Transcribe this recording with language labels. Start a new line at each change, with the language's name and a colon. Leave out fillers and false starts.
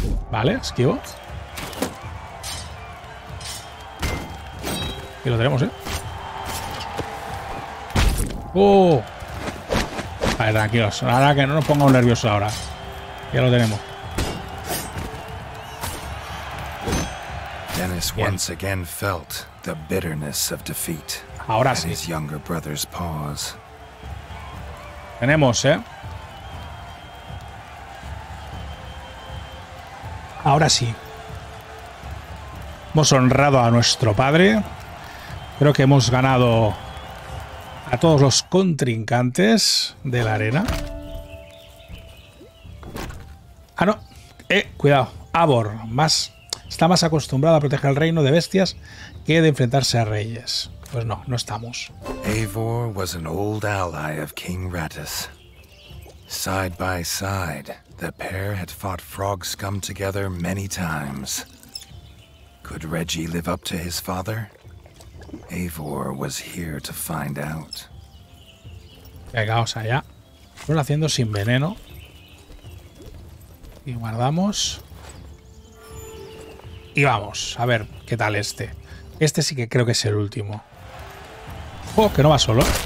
Spanish: Vale, esquivo. Y lo tenemos, ¿eh? ¡Oh! Vale, tranquilos. Ahora que no nos pongamos nerviosos ahora. Ya lo tenemos.
English: Dennis once again felt the bitterness of defeat.
Spanish: Ahora sí.
English: His younger brother's paws.
Spanish: Tenemos, ¿eh? Ahora sí. Hemos honrado a nuestro padre. Creo que hemos ganado a todos los contrincantes de la arena. Ah, no. Cuidado. Abor. Está más acostumbrado a proteger el reino de bestias que de enfrentarse a reyes. Pues no, no estamos.
English: Eivor was an old ally of King Rattus. Side by side. The pair had fought frog scum together many times. Could Reggie live up to his father? Eivor was here to find out.
Spanish: Pegaos allá. Lo haciendo sin veneno. Y guardamos. Y vamos, a ver qué tal este. Este sí que creo que es el último. ¡Oh, que no va solo!